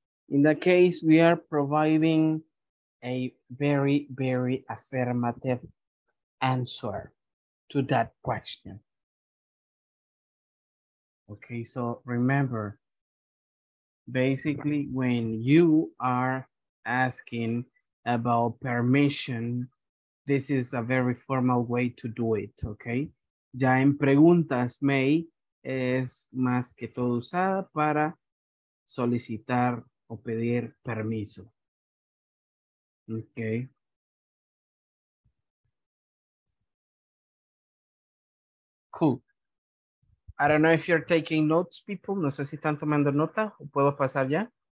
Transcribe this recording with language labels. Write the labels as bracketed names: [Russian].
[English] In that case, we are providing a very, very affirmative answer to that question. Okay, so remember, basically when you are asking about permission, this is a very formal way to do it, okay? [Spanish] Ya en preguntas, may es más que todo usada para solicitar o pedir permiso. [English] Okay. Cool. I don't know if you're taking notes, people. [Spanish] No sé si están tomando nota o puedo pasar ya.